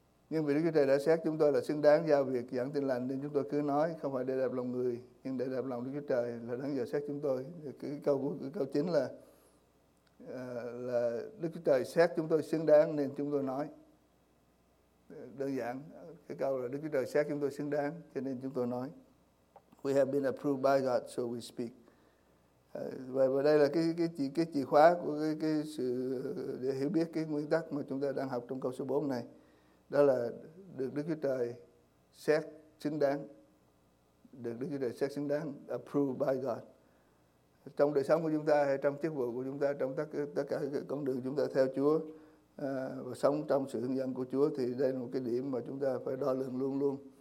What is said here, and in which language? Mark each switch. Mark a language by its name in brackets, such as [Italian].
[Vietnamese] Nhưng vì Đức Chúa Trời đã xét chúng tôi là xứng đáng giao việc giảng tin lành, nên chúng tôi cứ nói không phải để đẹp lòng người, nhưng để đẹp lòng Đức Chúa Trời là đáng giờ xét chúng tôi. Cái câu chính là là Đức Chúa Trời xét chúng tôi xứng đáng nên chúng tôi nói. Đơn giản, cái câu là Đức Chúa Trời xét chúng tôi xứng đáng cho nên chúng tôi nói. [English] We have been approved by God, so we speak. [Vietnamese] Và đây là cái chìa khóa của cái sự để hiểu biết cái nguyên tắc mà chúng ta đang học trong câu số 4 này. Đó là được Đức Chúa Trời xét xứng đáng. Được Đức Chúa Trời xét xứng đáng, [English] approved by God. [Vietnamese] Trong đời sống của chúng ta hay trong chức vụ của chúng ta, trong tất cả các con đường chúng ta theo Chúa và sống trong sự hướng dẫn của Chúa, thì đây là một cái điểm mà chúng ta phải đo lường luôn luôn.